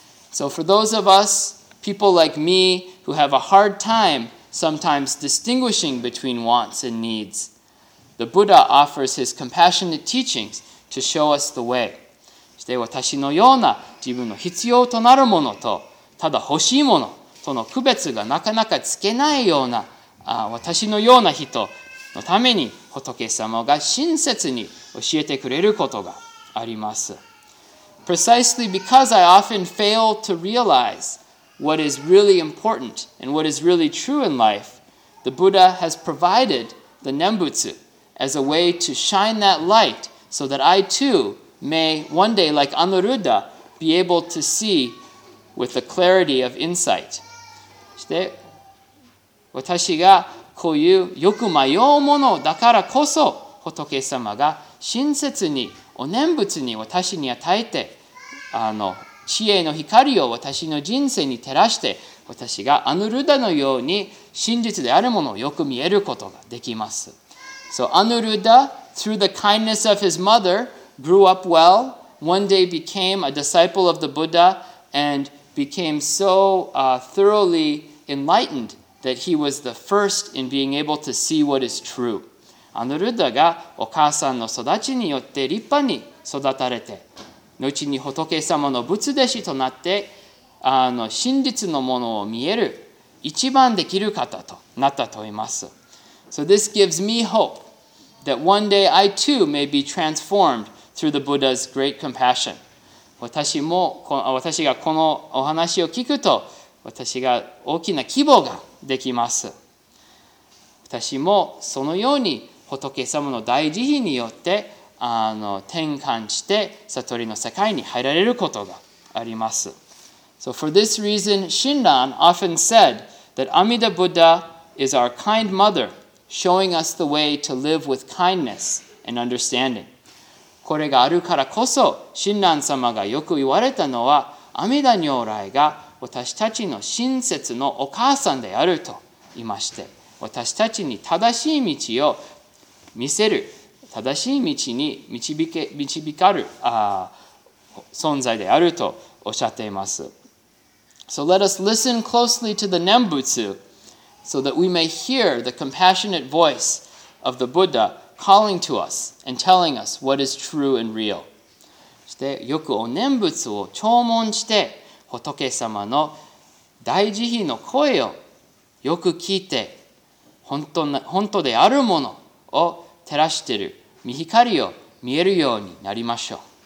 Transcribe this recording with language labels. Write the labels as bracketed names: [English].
[English] So for those of us, people like me, who have a hard time sometimes distinguishing between wants and needs, the Buddha offers his compassionate teachings to show us the way. [Japanese] そして私のような自分の必要となるものとただ欲しいものとの区別がなかなかつけないような私のような人のために仏様が親切に教えてくれることがあります。 [English] Precisely because I often fail to realize what is really important and what is really true in life, the Buddha has provided the Nembutsu as a way to shine that light so that I too may one day, like Anuruddha, be able to seeWith the clarity of insight. [Japanese] して私がこういうよく迷うものだからこそ仏様が親切にお念仏に私に与えて知恵の光を私の人生に照らして私がアヌルダのように真実であるものをよく見えることができます。 [English] So Anuruddha, through the kindness of his mother, grew up well, one day became a disciple of the Buddha, andbecame so thoroughly enlightened that he was the first in being able to see what is true. [Japanese] アヌルダがお母さんの育ちによって立派に育たれて、後に仏様の仏弟子となって、真実のものを見える一番できる方となったと言います。 [English] So this gives me hope that one day I too may be transformed through the Buddha's great compassion. [Japanese] 私がこのお話を聞くと、私が大きな希望ができます。私もそのように仏様の大慈悲によって転換して悟りの世界に入られることがあります。 [English] So for this reason, Shinran often said that Amida Buddha is our kind mother, showing us the way to live with kindness and understanding. [Japanese] これがあるからこそ、親鸞様がよく言われたのは、阿弥陀如来が私たちの親切のお母さんであると言いまして、私たちに正しい道を見せる、正しい道に導かる存在であるとおっしゃっています。 [English] So let us listen closely to the Nembutsu, so that we may hear the compassionate voice of the Buddha.calling to us and telling us what is true and real. [Japanese] してよくお念仏を聴聞して仏様の大慈悲の声をよく聞いて本当であるものを照らしている見光を見えるようになりましょう。